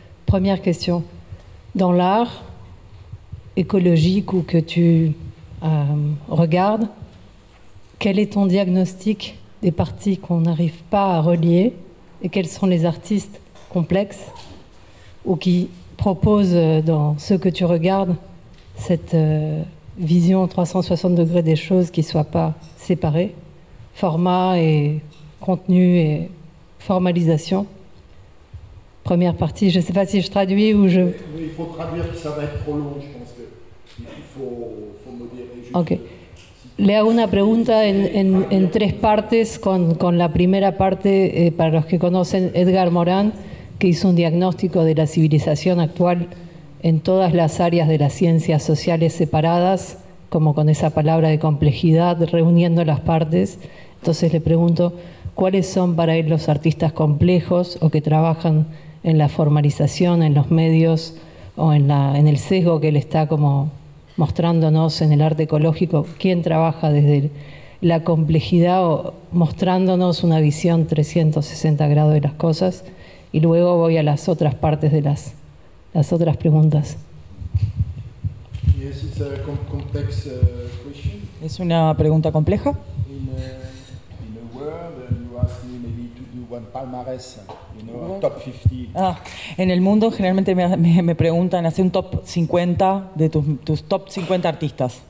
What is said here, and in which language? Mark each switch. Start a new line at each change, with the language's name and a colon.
French: Première question, dans l'art écologique ou que tu regardes, quel est ton diagnostic des parties qu'on n'arrive pas à relier et quels sont les artistes complexes ou qui proposent dans ce que tu regardes cette vision 360 degrés des choses qui ne soient pas séparées, format et contenu et formalisation. Première partie, je ne sais pas si je traduis ou je... Oui, il faut traduire, ça va être trop long, je pense qu'il faut modérer juste... Ok.
Spanish: Le hago una pregunta en tres partes, con la primera parte, para los que conocen Edgar Morin, que hizo un diagnóstico de la civilización actual en todas las áreas de las ciencias sociales separadas, como con esa palabra de complejidad, reuniendo las partes. Entonces le pregunto, ¿cuáles son para él los artistas complejos o que trabajan en la formalización, en los medios o en el sesgo que él está como... mostrándonos en el arte ecológico, quién trabaja desde la complejidad o mostrándonos una visión 360 grados de las cosas, y luego voy a las otras partes de las otras preguntas.
English: Yes, it's a complex question.
Spanish: ¿Es una pregunta compleja?
English: In a word, you ask me maybe to do one palmarès, you know, top 50.
Spanish: Ah, en el mundo generalmente me preguntan hacer un top 50 de tus top 50 artistas.